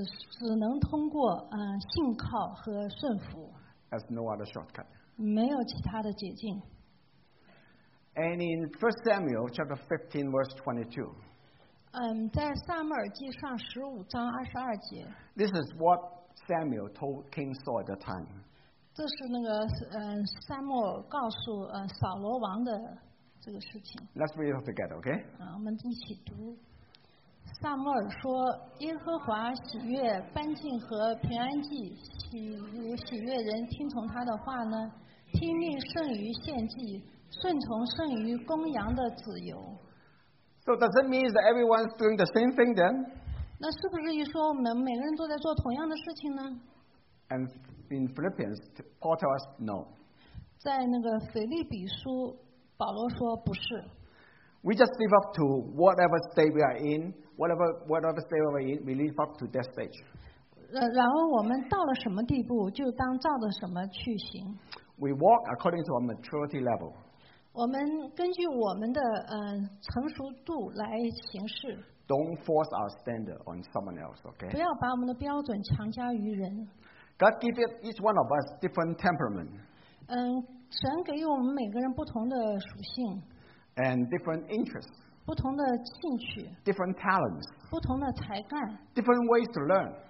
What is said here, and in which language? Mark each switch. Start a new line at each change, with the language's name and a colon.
Chinese: 只能通过信靠和顺服
English: as no other shortcut
Chinese: 没有其他的捷径
English: and in 1 Samuel chapter 15 verse 22
Chinese: 在撒母耳记上十五章二十二节。
English: This is what Samuel told King Saul at the time.
Chinese: 这是那个撒母耳告诉扫罗王的这个事情。
English: Let's read it together, okay?
Chinese: 我们一起读。撒母耳说，耶和华喜悦燔祭和平安祭，岂如喜悦人听从他的话呢？听命胜于献祭，顺从胜于公羊的自由。
English: So does it mean that everyone's doing the same thing then?
Chinese: 那是不是意说我们每个人都在做同样的事情呢？
English: And in Philippians, Paul tells us no.
Chinese: 在那个腓立比书，保罗说不是。
English: We just live up to whatever state we are in, whatever state we are in, we live up to that stage.
Chinese: 然后我们到了什么地步，就当照着什么去行。
English: We walk according to our maturity level.
Chinese: 我们根据我们的成熟度来行事。
English: Don't force our standard on someone else, okay?
Chinese: 不要把我们的标准强加于人。
English: God gives each one of us different temperament.
Chinese: 神给我们每个人不同的属性。
English: And different interests,
Chinese: 不同的兴趣
English: different talents,
Chinese: 不同的才干
English: different ways to learn,